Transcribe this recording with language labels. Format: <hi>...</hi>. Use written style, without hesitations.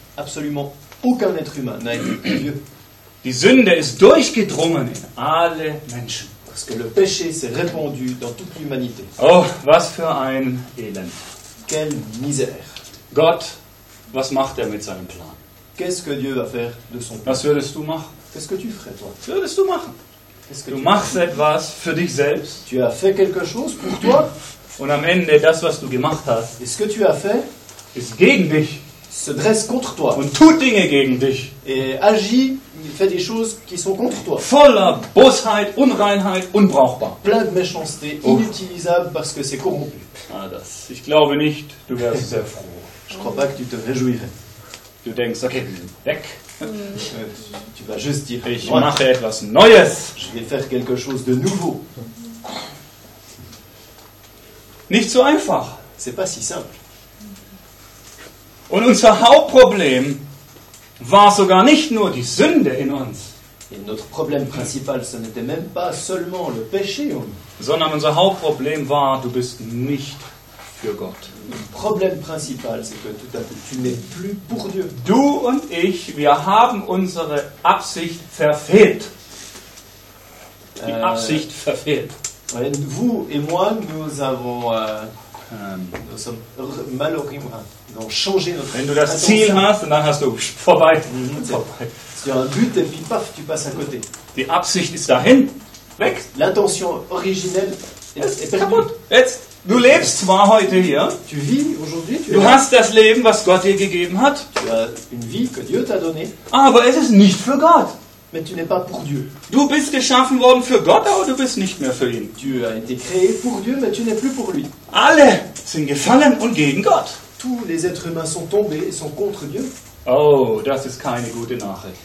<fr>absolument aucun être humain n'a été pour Dieu.</fr> <de>Die Sünde ist durchgedrungen in alle Menschen.</de> <fr>Parce que le péché s'est répandu dans toute l'humanité.</fr> <de>Oh, was für ein Elend.</de> <fr>Quelle misère.</fr> <de>Gott, was macht mit seinem Plan?</de> <fr>Qu'est-ce que Dieu va faire de son plan?</fr> <de>Was würdest du machen?</de> <fr>Qu'est-ce que tu ferais, toi?</fr> <de>Würdest du machen?</de> <fr>Qu'est-ce que</fr> <de>du machst etwas für dich selbst.</de> <fr>Tu as fait quelque chose pour toi?</fr> <de>Und am Ende, das, was du gemacht hast,</de> <fr>et ce que tu as fait,</fr> <de>ist gegen dich.</de> <fr>Se dresse contre toi.</fr> <de>Und tut Dinge gegen dich.</de> <fr>Et agit, fait des choses qui sont contre toi.</fr> <de>Voller Bosheit, Unreinheit, unbrauchbar.</de> <fr>Plein de méchanceté, inutilisable parce que c'est corrompu.</fr> <de>Ah, das. Ich glaube nicht, du wärst sehr froh.</de> <fr>Je crois pas que tu te réjouirais.</fr> <de>Du denkst, okay, weg.</de> <fr>Tu vas juste dire,</fr> <de>ich mache etwas Neues.</de> <fr>Je vais faire quelque chose de nouveau.</fr> <de>Nicht so einfach.</de> <fr>C'est pas si simple.</fr> <de>Und unser Hauptproblem war sogar nicht nur die Sünde in uns.</de> <fr>Et notre problème principal, ce n'était même pas seulement le péché.</fr> <de>Sondern unser Hauptproblem war, du bist nicht für Gott.</de> <fr>Le problème principal, c'est que tout à coup, tu n'es plus pour Dieu.</fr> <de>Du und ich, wir haben unsere Absicht verfehlt. Die Absicht verfehlt.</de> <fr>Vous et moi, nous avons... nous sommes malheureusement... Donc, changer notre</fr> <de>Wenn du das Ziel hast, dann hast du vorbei.</de> <fr>Si tu as un but et puis paf, tu passes à côté.</fr> <de>Die Absicht ist dahin, weg.</de> <fr>L'intention originelle est</fr> <de>kaputt. Jetzt, du lebst zwar heute hier.</de> <fr>Tu vis aujourd'hui.</fr> <de>Du hast das Leben, was Gott dir gegeben hat.</de> <fr>Tu as une vie que Dieu t'a donnée.</fr> <de>Aber es ist nicht für Gott.</de> <fr>Mais tu n'es pas pour Dieu.</fr> <de>Du bist geschaffen worden für Gott, aber du bist nicht mehr für ihn.</de> <fr>Tu as été créé pour Dieu, mais tu n'es plus pour lui.</fr> <de>Alle sind gefallen und gegen Gott.</de> <fr>Tous les êtres humains sont tombés et sont contre Dieu.</fr> <de>Oh, das ist keine gute Nachricht.</de>